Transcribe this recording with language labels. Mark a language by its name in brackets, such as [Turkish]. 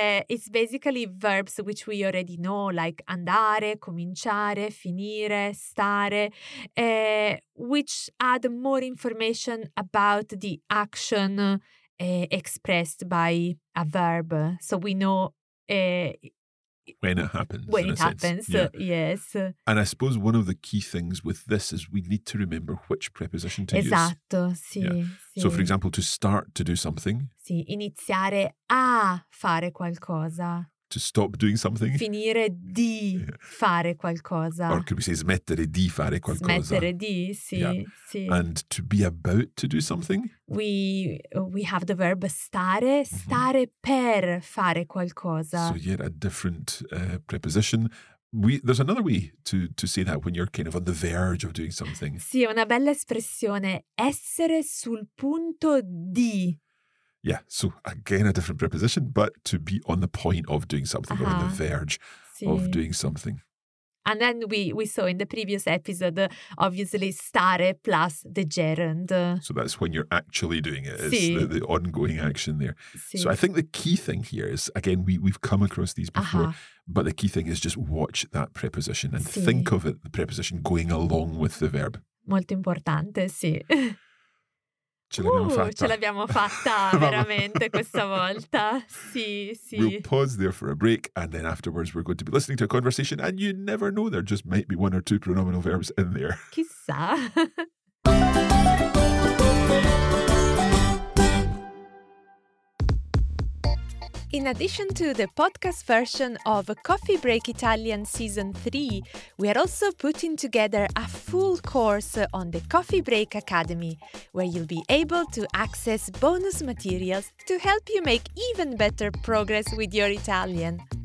[English] It's basically verbs which we already know, like andare, cominciare, finire, stare, which add more information about the action expressed by a verb. So we know... when it happens. When in it a happens, sense. Yeah. Yes. And I suppose one of the key things with this is we need to remember which preposition to [Italian] esatto, [English] use. [Italian] Esatto, sì, [English] yeah. [Italian] sì. [English] So, for example, to start to do something. [Italian] Sì, iniziare a fare qualcosa. [English] To stop doing something. [Italian] Finire di fare qualcosa. [English] Or could we say [Italian] smettere di fare qualcosa. Smettere di, sì, [English] yeah. [Italian] sì. [English] And to be about to do something. We have the verb stare, stare mm-hmm. [Italian] per fare qualcosa. [English] So yet a different preposition. There's another way to say that when you're kind of on the verge of doing something. [Italian] Sì, una bella espressione. Essere sul punto di. [English] Yeah, so again a different preposition, but to be on the point of doing something uh-huh. or on the verge [Italian] sì. [English] of doing something. And then we saw in the previous episode, obviously, stare plus the gerund. So that's when you're actually doing it. It's the ongoing action there. So I think the key thing here is, again, we've come across these before, but the key thing is just watch that preposition and think of it, the preposition going along with the verb. [Italian] Molto importante, sì. Ce l'abbiamo fatta. Ce l'abbiamo fatta veramente questa volta. Sì, sì. [English] We'll pause there for a break and then afterwards we're going to be listening to a conversation and you never know, there just might be one or two pronominal verbs in there. [Italian] Chissà. [English] In addition to the podcast version of Coffee Break Italian Season 3, we are also putting together a full course on the Coffee Break Academy, where you'll be able to access bonus materials to help you make even better progress with your Italian.